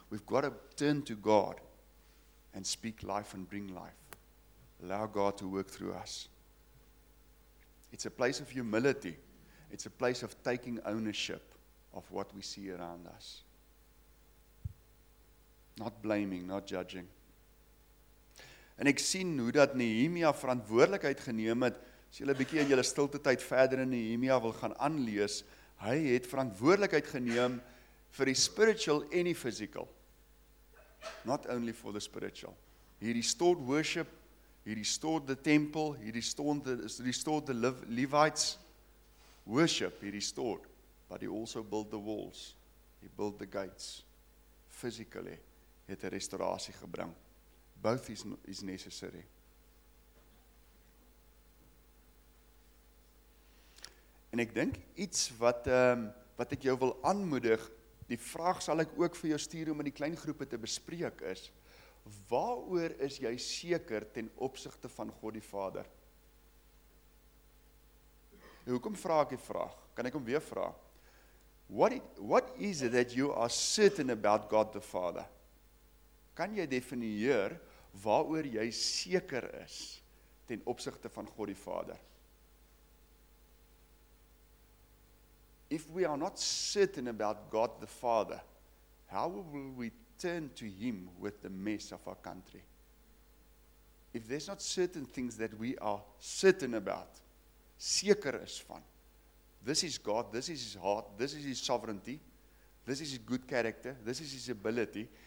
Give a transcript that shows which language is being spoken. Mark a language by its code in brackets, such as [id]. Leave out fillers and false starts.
[en] We've got to turn to God and speak life and bring life. Allow God to work through us. It's a place of humility. It's a place of taking ownership of what we see around us. Not blaming, not judging. [af] En ek sien hoe dat Nehemia verantwoordelikheid geneem het, as jy 'n bietjie in jou stilte tyd verder in Nehemia wil gaan aanlees, hy het verantwoordelikheid geneem vir die [en] spiritual en die physical. Not only for the spiritual. He restored worship, he restored the temple, he restored the Levites. Worship he restored, but he also built the walls. He built the gates. [af] Physically, het 'n restaurasie gebring. [en] Both is necessary. [af] En ek dink iets wat wat ek jou wil aanmoedig, die vraag sal ek ook vir jou stuur om in die klein groepe te bespreek is, waaroor is jy seker ten opsigte van God die Vader? En hoekom vra ek die vraag? Kan ek hom weer vra? [en] What is it that you are certain about God the Father? [af] Kan jy definieer waaroor jy seker is ten opsigte van God die Vader? [en] If we are not certain about God the Father, how will we turn to Him with the mess of our country? If there's not certain things that we are certain about, [af] seker is van, [en] this is God, this is His heart, this is His sovereignty, this is His good character, this is His ability.